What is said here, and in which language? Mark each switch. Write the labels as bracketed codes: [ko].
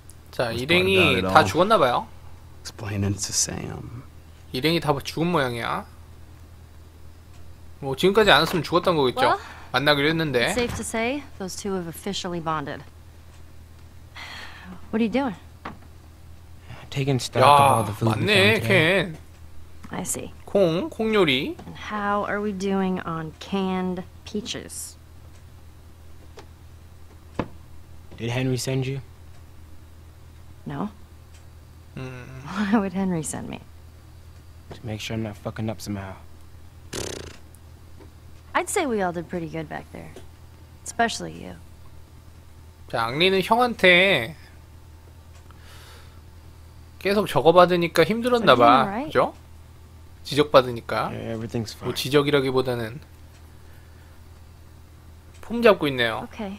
[ko] 자, 일행이 다 죽었나 봐요. [en] Explaining to Sam. [ko] 일행이 다 죽은 모양이야. 뭐 지금까지 안 왔으면 죽었던 거겠죠. 만나기로 했는데. [en] Safe to say those two have officially bonded. What are you doing? Taking stock of all the food. [ko] 야, 맞네, 캔. [en] I see. [ko] 콩, 콩 요리. [en] And how are we doing on canned peaches? Did Henry send you? No. Why would Henry send me? To make sure I'm not fucking up somehow. I'd say we all did pretty good back there. Especially you. [ko] 자, 악리는 형한테 계속 적어받으니까 힘들었나 봐. 그죠? 지적받으니까. 뭐 지적이라기보다는 폼 잡고 있네요.